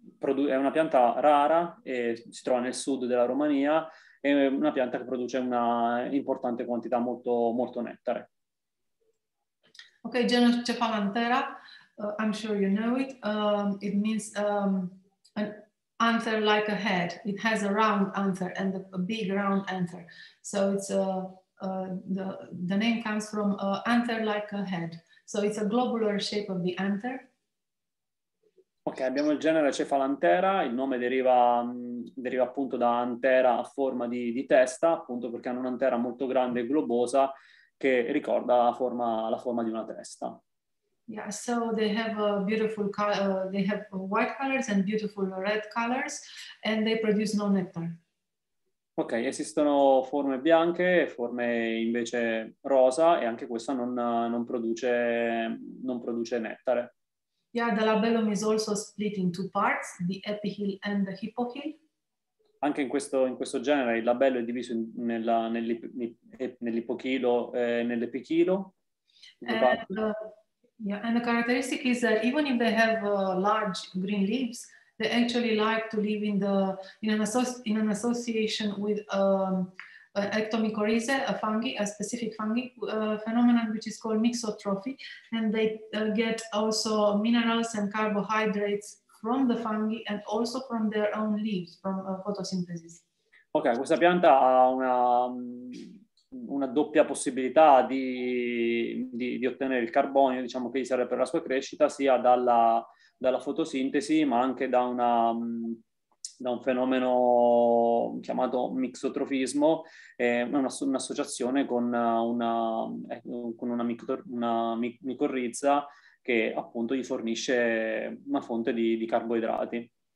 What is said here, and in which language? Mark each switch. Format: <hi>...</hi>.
<it>È una pianta rara, e si trova nel sud della Romania, è una pianta che produce una importante quantità, molto, molto nettare.</it> <en>Ok, genus Cephalanthera, I'm sure you know it, it means an anther like a head, it has a round anther and a big round anther, so it's the name comes from anther like a head, so it's a globular shape of the anther.</en> <it>Ok, abbiamo il genere Cephalanthera, il nome deriva appunto da antera a forma di testa, appunto perché hanno un'antera molto grande e globosa che ricorda la forma di una testa.</it> <en>Yeah, so they have a beautiful they have white colors and beautiful red colors, and they produce no nectar.</en> <it>Ok, esistono forme bianche e forme invece rosa, e anche questa non produce nettare.</it> <en>Yeah, the labellum is also split in two parts, the epihyl and the hypohyl.</en> <it>Anche in questo genere il labello è diviso nell'ipochilo e nell'epichilo.</it> <en>And the characteristic is that even if they have large green leaves, they actually like to live in an association with Ectomycorrhizae, a fungi, a specific fungi phenomenon which is called mixotrophy, and they get also minerals and carbohydrates from the fungi and also from their own leaves, from photosynthesis.</en> <it>Ok, questa pianta ha una doppia possibilità di ottenere il carbonio, diciamo, che gli serve per la sua crescita, sia dalla fotosintesi, ma anche da un fenomeno chiamato mixotrofismo, un'associazione con una micorrizza che appunto gli fornisce una fonte di carboidrati.</it>